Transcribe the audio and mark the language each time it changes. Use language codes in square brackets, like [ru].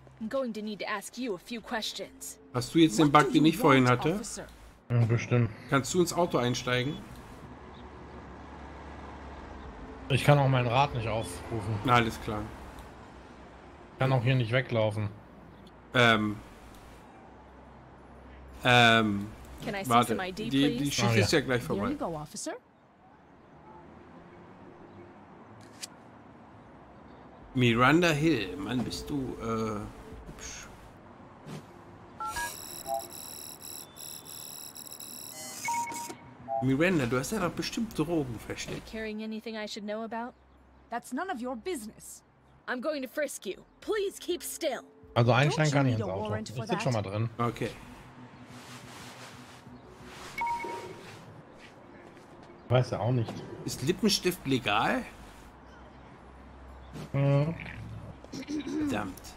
[en] I'm going to need to ask you a few questions. [de] Hast du jetzt den Bug, den ich vorhin hatte? Ja, bestimmt. Kannst du ins Auto einsteigen? Ich kann auch meinen Rad nicht aufrufen. Na, alles klar. Ich kann auch hier nicht weglaufen. Warte. Die Schicht ist ja gleich vorbei. [en] Here you go, officer. [de] Miranda Hill, Mann, bist du, hübsch. Miranda, du hast ja doch bestimmt Drogen versteckt. [en] Are you carrying anything I should know about? That's none of your business. I'm going to frisk you. Please keep still. [de] Also einsteigen kann ich ins Auto. Ich sitze schon mal drin. Okay. Weiß ja auch nicht. Ist Lippenstift legal? Verdammt.